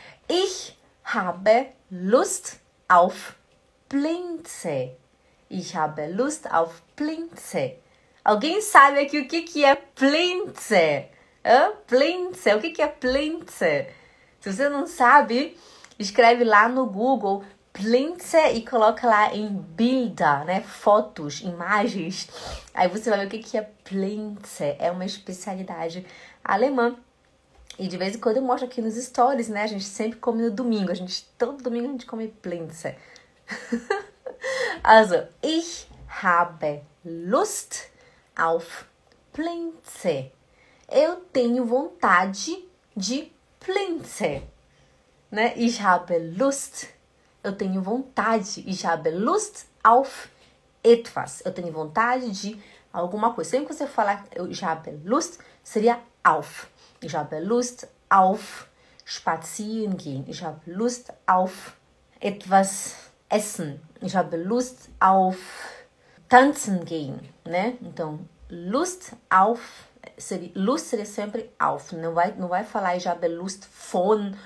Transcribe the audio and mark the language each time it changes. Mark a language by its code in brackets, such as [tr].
[de] Ich habe Lust auf Plinze. Ich habe Lust auf Plinze. [pt] Alguém sabe aqui o que é Plinze? Plinze, o que é Plinze? Se você não sabe, escreve lá no Google Plinze e coloca lá em Bilder, né? Fotos, imagens. Aí você vai ver o que é Plinze. É uma especialidade alemã. E de vez em quando eu mostro aqui nos stories, né? A gente sempre come no domingo. Todo domingo a gente come Plinze. [de] Also, ich habe Lust auf Plinze. [pt] Eu tenho vontade de Plinze. Né? [de] Ich habe Lust. [pt] Eu tenho vontade. [de] Ich habe Lust auf etwas. [pt] Eu tenho vontade de alguma coisa. Sempre que você falar eu [de] ich habe Lust, [pt] seria auf. [de] Ich habe Lust auf spazieren gehen. Ich habe Lust auf etwas essen. Ich habe Lust auf tanzen gehen. [pt] Né? Então, Lust auf. Lust seria sempre auf. Não vai falar [de] ich habe Lust von.